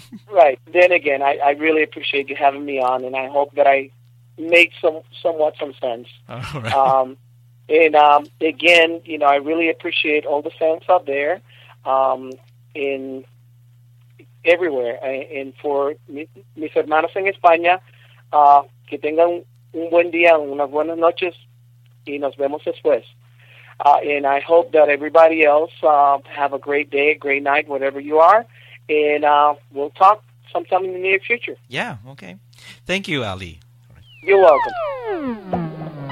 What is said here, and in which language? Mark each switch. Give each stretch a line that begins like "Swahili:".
English: Right. Then again, I really appreciate you having me on, and I hope that I make somewhat some sense. All right. And again, you know, I really appreciate all the fans out there, in everywhere. And for
Spanish: mis hermanos en España, que tengan un buen día, unas buenas noches, y nos vemos después.
English: And I hope that everybody else have a great day, great night, whatever you are. And we'll talk sometime in the near future. Yeah, okay. Thank you, Ali. You're welcome.